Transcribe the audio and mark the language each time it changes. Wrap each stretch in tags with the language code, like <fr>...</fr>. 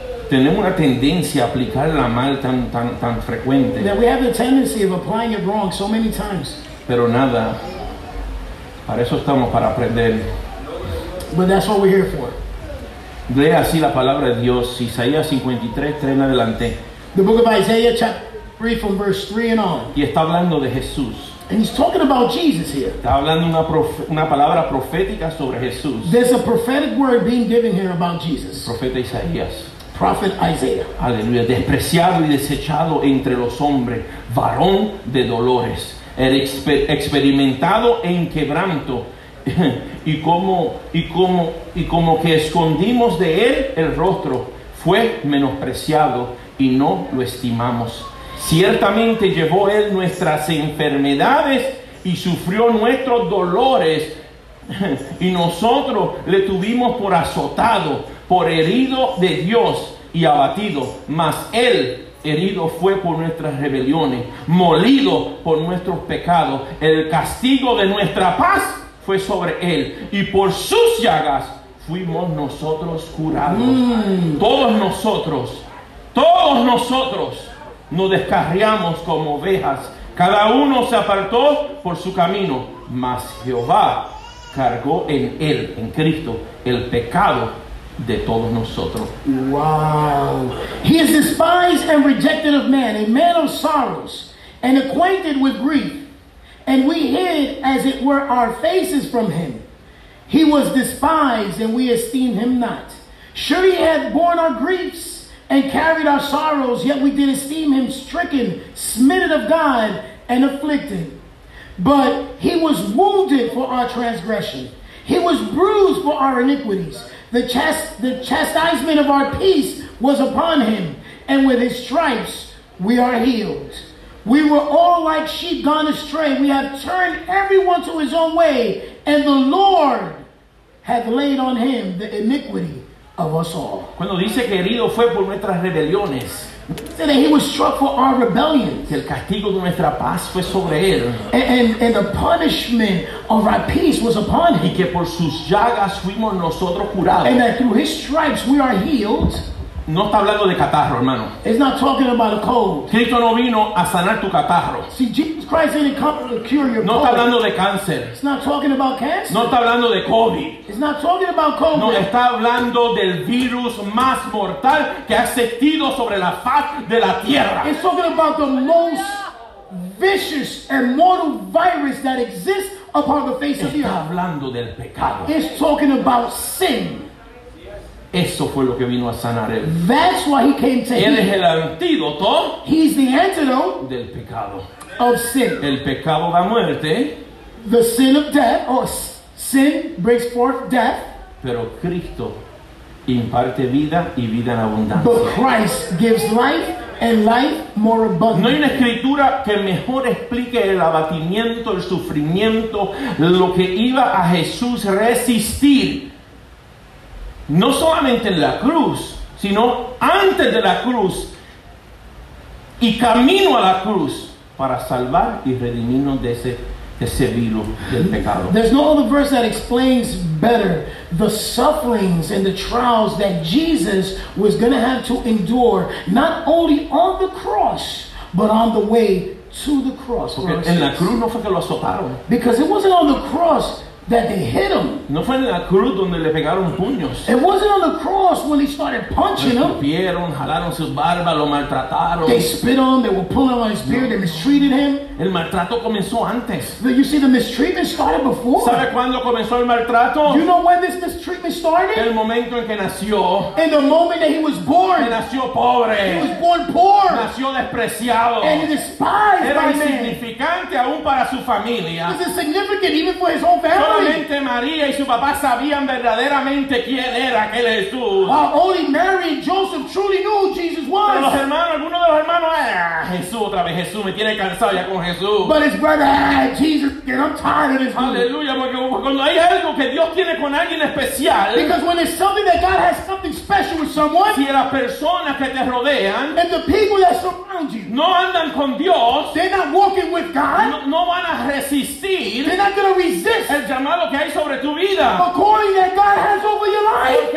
<es>tenemos una tendencia a aplicarla mal tan frecuente.</es> <en>That we have a tendency of applying it wrong so many times.</en> <es>Pero nada. Para eso estamos, para aprender.</es> <en>But that's what we're here for.</en> <es>Lee así la palabra de Dios, Isaías 53, 3 en adelante.</es> <en>The book of Isaiah chapter 3 from verse 3 and on.</en> <es>Y está hablando de Jesús.</es> <en>And he's talking about Jesus here.</en> <es>Está hablando una palabra profética sobre Jesús.</es> <en>There's a prophetic word being given here about Jesus.</en> <es>Profeta Isaías.</es> <en>Prophet Isaiah.</en> <es>Aleluya. Despreciado y desechado entre los hombres, varón de dolores, el experimentado en quebranto, y como que escondimos de él el rostro, fue menospreciado y no lo estimamos. Ciertamente llevó él nuestras enfermedades y sufrió nuestros dolores, y nosotros le tuvimos por azotado, por herido de Dios y abatido, mas él herido fue por nuestras rebeliones, molido por nuestros pecados. El castigo de nuestra paz fue sobre él, y por sus llagas fuimos nosotros curados. Todos nosotros nos descarriamos como ovejas, cada uno se apartó por su camino, mas Jehová cargó en él, en Cristo, el pecado de todos nosotros.</es> <en>Wow. He is despised and rejected of men, a man of sorrows, and acquainted with grief, and we hid as it were our faces from him. He was despised and we esteemed him not. Sure, he had borne our griefs and carried our sorrows, yet we did esteem him stricken, smitten of God, and afflicted. But he was wounded for our transgression. He was bruised for our iniquities. The chastisement of our peace was upon him, and with his stripes we are healed. We were all like sheep gone astray. We have turned everyone to his own way, and the Lord hath laid on him the iniquity of us all.</en> <es>Cuando dice que herido fue por nuestras rebeliones,</es> <en>said that he was struck for our rebellion.</en> <es>Que el castigo de nuestra paz fue sobre él.</es> <en>And the punishment of our peace was upon him.</en> <es>Y que por sus llagas fuimos nosotros curados.</es> <en>And that through his stripes we are healed.</en> <es>No está hablando de catarro, hermano.</es> <en>It's not talking about a cold.</en> <es>Cristo no vino a sanar tu catarro.</es> <en>See, Jesus Christ didn't come to cure your cold.</en> <es>No está hablando de cáncer.</es> <en>It's not talking about cancer.</en> <es>No está hablando de COVID.</es> <en>It's not talking about COVID.</en> <es>No, está hablando del virus más mortal que ha existido sobre la faz de la tierra.</es> <en>It's talking about the most vicious and mortal virus that exists upon the face</en> <es>está</es> <en>of the earth.</en> <es>Está hablando del pecado.</es> <en>It's talking about sin.</en> <es>Eso fue lo que vino a sanar él.</es> <en>That's why he came to heal.</en> <es>Él es el antídoto.</es> <en>He's the antidote</en> <es>del pecado.</es> <en>Of sin.</en> <es>El pecado da muerte.</es> <en>The sin of death, or sin brings forth death.</en> <es>Pero Cristo imparte vida y vida en abundancia.</es> <en>But Christ gives life and life more abundant.</en> <es>No hay una escritura que mejor explique el abatimiento, el sufrimiento, lo que iba a Jesús resistir. No solamente en la cruz, sino antes de la cruz y camino a la cruz para salvar y redimirnos de ese virus del pecado.</es> <en>There's no other verse that explains better the sufferings and the trials that Jesus was going to have to endure, not only on the cross, but on the way to the cross.</en> <es>Porque en la cruz no fue que lo azotaron.</es> <en>Because it wasn't on the cross that they hit him.</en> <es>No fue en la cruz donde le pegaron puños.</es> <en>It wasn't on the cross when he started punching him.</en> <es>Escupieron, jalaron sus barbas, lo maltrataron.</es> <en>They spit on him, they were pulling on his beard, they mistreated him.</en> <es>El maltrato comenzó antes.</es> <en>You see, the mistreatment started before.</en> <es>¿Sabe cuándo comenzó el maltrato?</es> <en>You know when this mistreatment started?</en> <es>El momento en que nació.</es> <en>In the moment that he was born.</en> <es>Que nació pobre.</es> <en>He was born poor.</en> <es>Nació despreciado.</es> <en>And he despised</en> <es>era insignificante aún para su familia.</es> <en>Was insignificant even for his own family.</en> <es>solamente María y su papá sabían verdaderamente quién era aquel Jesús.</es> <en>While only Mary and Joseph truly knew who Jesus was.</en> <es>Pero los hermanos, algunos de los hermanos, Jesús otra vez, Jesús me tiene cansado ya con Jesús.</es> <en>But his brother, Jesus, again, I'm tired of this.</en> <es>Aleluya, porque cuando hay algo que Dios tiene con alguien especial.</es> <en>Because when it's something that God has something special with someone.</en> <es>Si las personas que te rodean.</es> <en>And the people that surround you.</en> <es>No andan con Dios.</es> <en>They're not walking with God.</en> <es>No van a resistir.</es> <en>They're not going to resist.</en> <es>El llamado que hay sobre tu vida.</es> <en>The calling that God has over your life.</en>